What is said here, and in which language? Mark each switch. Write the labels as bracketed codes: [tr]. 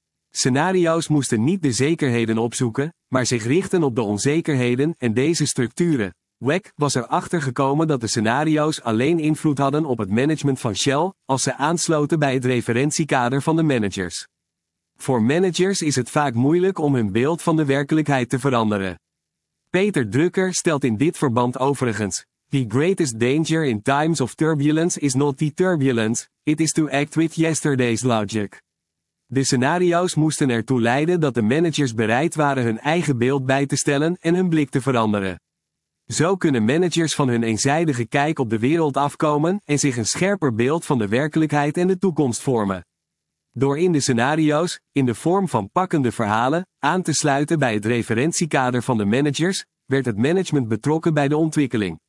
[nl] Scenario's moesten niet de zekerheden opzoeken, maar zich richten op de onzekerheden en deze structuren. Weck was erachter gekomen dat de scenario's alleen invloed hadden op het management van Shell, als ze aansloten bij het referentiekader van de managers. Voor managers is het vaak moeilijk om hun beeld van de werkelijkheid te veranderen. Peter Drucker stelt in dit verband overigens, [en] "The greatest danger in times of turbulence is not the turbulence, it is to act with yesterday's logic." [nl] De scenario's moesten ertoe leiden dat de managers bereid waren hun eigen beeld bij te stellen en hun blik te veranderen. Zo kunnen managers van hun eenzijdige kijk op de wereld afkomen en zich een scherper beeld van de werkelijkheid en de toekomst vormen. Door in de scenario's, in de vorm van pakkende verhalen, aan te sluiten bij het referentiekader van de managers, werd het management betrokken bij de ontwikkeling.